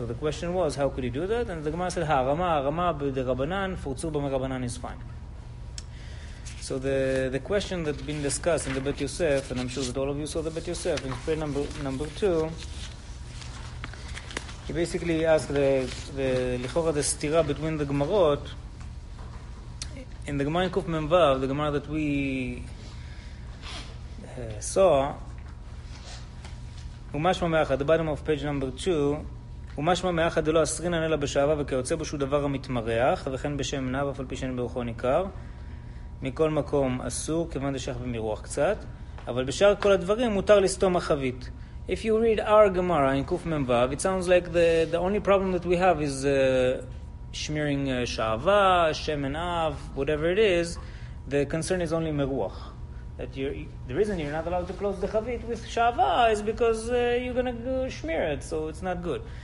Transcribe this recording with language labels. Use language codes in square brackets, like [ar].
[en] So the question was, how could he do that? And the Gemara said, "Harama, harama, b'de rabbanan, furtzur b'me rabbanan is fine." So the question that's been discussed in the Bet Yosef, and I'm sure that all of you saw the Bet Yosef, in prayer number two, he basically asked the lichora the stira between the Gemarot. In the Gemara in Kuf Mem Vav, the Gemara that we saw, [he] ומשמע מאחד, [en] the bottom of page number 2, [he] ומשמע מאחד לא אסרינן אלא בשעבה וכיוצא בו שהוא דבר המתמרח, וכן בשם נב, אף על פי שאין ברוחו ניכר, מכל מקום אסור, כיוון דשך במרוח קצת, אבל בשאר כל הדברים מותר לסתום החבית. [en] If you read our Gemara in Kuf Mem Vav, it sounds like the only problem that we have is smearing שעבה, שמן אב, whatever it is, the concern is only מרוח. That the reason you're not allowed to close the chavit with shava is because you're gonna smear it, so it's not good.